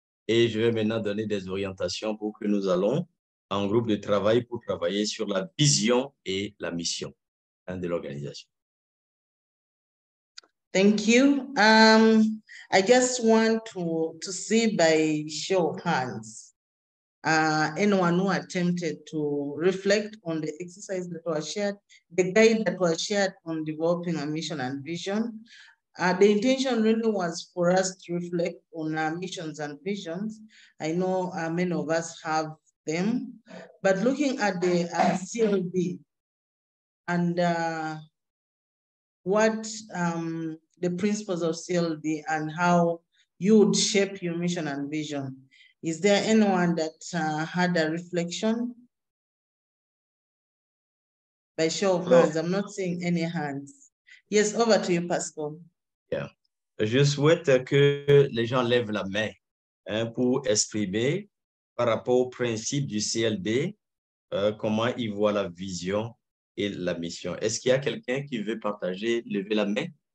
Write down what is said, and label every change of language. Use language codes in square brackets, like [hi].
[fr] Et je vais maintenant donner des orientations pour que nous allons en groupe de travail pour travailler sur la vision et la mission de l'organisation. [en] Thank you. I just want to see by show of hands anyone who attempted to reflect on the exercise that was shared, the guide that was shared on developing a mission and vision. The intention really was for us to reflect on our missions and visions. I know many of us have them, but looking at the CLB and what the principles of CLB and how you would shape your mission and vision, is there anyone that had a reflection? By show of hands, I'm not seeing any hands. Yes, over to you, Pascal. Yeah. [fr] Je souhaite que les gens lèvent la main hein, pour exprimer par rapport au principe du CLB, comment ils voient la vision et la mission. Est-ce qu'il y a quelqu'un qui veut partager, lever la main?